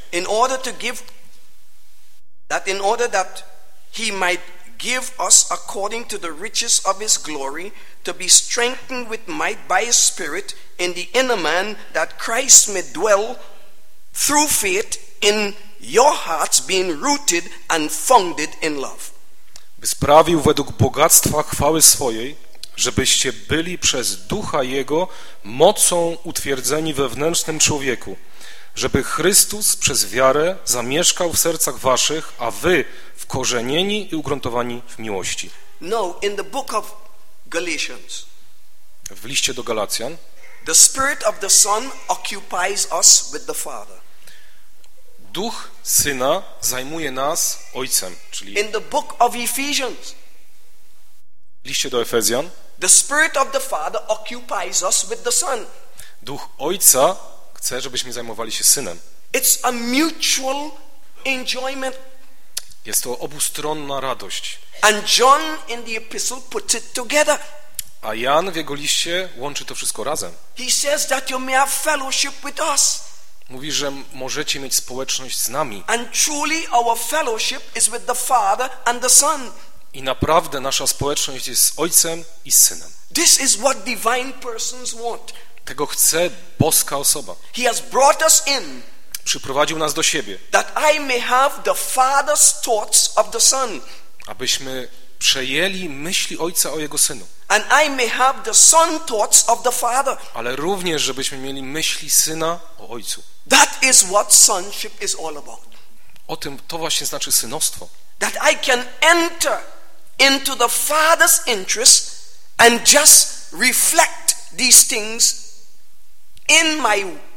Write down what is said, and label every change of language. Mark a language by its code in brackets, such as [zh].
[en] In order to give that in order that he might give us according to the riches of his glory to be strengthened with might by his spirit in the inner man that Christ may dwell through faith in your hearts being rooted and founded in love. [pl] By sprawił według bogactwa chwały swojej, żebyście byli przez Ducha Jego mocą utwierdzeni we wnętrznym człowieku, żeby Chrystus przez wiarę zamieszkał w sercach waszych, a wy wkorzenieni i ugruntowani w miłości. [en] No, in the book of Galatians, [pl] w liście do Galacjan, [en] the spirit of the son occupies us with the father. [pl] Duch Syna zajmuje nas Ojcem, czyli [en] in the book of Ephesians, [pl] w liście do Efezjan, [en] the spirit of the father occupies us with the son. [pl] Duch Ojca chce, żebyśmy zajmowali się Synem. [en] It's a mutual enjoyment. [pl] Jest to obustronna radość. [en] And John in the epistle puts it together. [pl] A Jan w jego liście łączy to wszystko razem. [en] He says that you may have fellowship with us. [pl] Mówi, że możecie mieć społeczność z nami. [en] And truly our fellowship is with the Father and the Son. [pl] I naprawdę nasza społeczność jest z Ojcem i z Synem. [en] This is what divine persons want. [pl] Tego chce boska osoba. [en] He has brought us in. [pl] Przyprowadził nas do siebie. [en] That I may have the father's thoughts of the son. [pl] Abyśmy przejęli myśli ojca o jego synu. [en] And I may have the son thoughts of the father. [pl] Ale również żebyśmy mieli myśli syna o ojcu. [en] That is what sonship is all about. [pl] O tym to właśnie znaczy synostwo. [en] That I can enter into the father's interest and just reflect these things in my